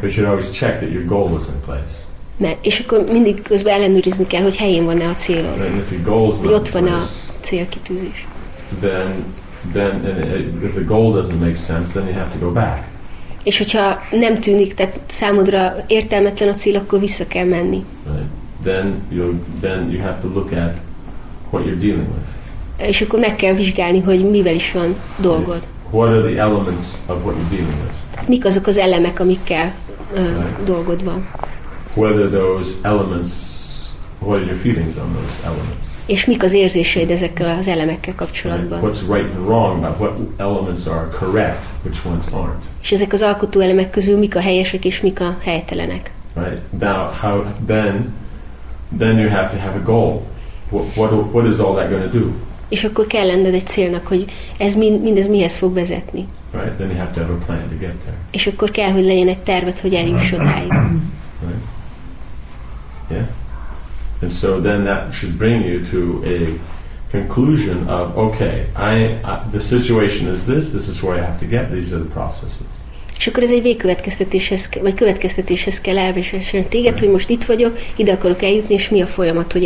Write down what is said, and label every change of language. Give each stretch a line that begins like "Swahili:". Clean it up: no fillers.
English: You should always check that your goal is in place.
Hungarian: Mert, és akkor mindig közben ellenőrizni kell, hogy helyén van-e a célod.
English: And if your goal is not
Hungarian: ott van-e
English: place,
Hungarian: a célkitűzés.
English: Then if the goal doesn't make sense, then you have to go back.
Hungarian: És hogyha nem tűnik, tehát számodra értelmetlen a cél, akkor vissza kell menni.
English: Right. Then you have to look at what you're dealing with.
Hungarian: És akkor meg kell vizsgálni, hogy mivel is van dolgod.
English: What are the elements of what you're dealing with?
Hungarian: Mik azok az elemek, amikkel dolgod van?
English: Whether those elements, what are your feelings on those elements?
Hungarian: És mik az érzéseid ezekkel az elemekkel kapcsolatban?
English: What's right and wrong, but what elements are correct, which ones aren't?
Hungarian: És ezek az alkotó elemek közül mik a helyesek és mik a helytelenek?
English: Right. Now, how then you have to have a goal. What is all that going to do?
Hungarian: És akkor kell lenned egy célnak, hogy ez mindez mihez fog vezetni.
English: Right, then you have to have a plan to get there.
Hungarian: És akkor kell, hogy legyen egy terved, hogy eljuss odáig.
English: Right. Yeah. And so then that should bring you to a conclusion of, okay, the situation is this, this is where I have to get, these are the processes.
Hungarian: És akkor ez egy végkövetkeztetéshez, vagy következtetéshez kell elvésésen téged, right, hogy most itt vagyok, ide akarok eljutni, és mi a folyamat, hogy